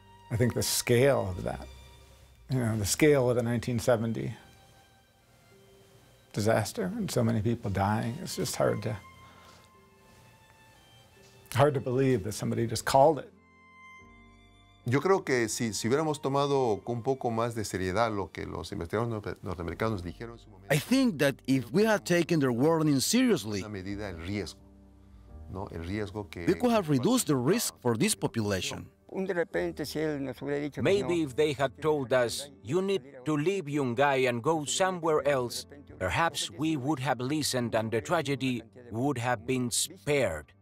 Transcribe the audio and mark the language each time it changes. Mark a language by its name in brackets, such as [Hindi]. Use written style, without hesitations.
[English] I think the scale of that, you know, the scale of the 1970 disaster and so many people dying, it's just hard to believe that somebody just called it. [Spanish] Yo creo que si hubiéramos tomado un poco más de seriedad lo que los investigadores norteamericanos dijeron en su momento. [English] I think that if we had taken their warning seriously, we could have reduced the risk for this population. Maybe if they had told us, you need to leave Yungay and go somewhere else, perhaps we would have listened and the tragedy would have been spared.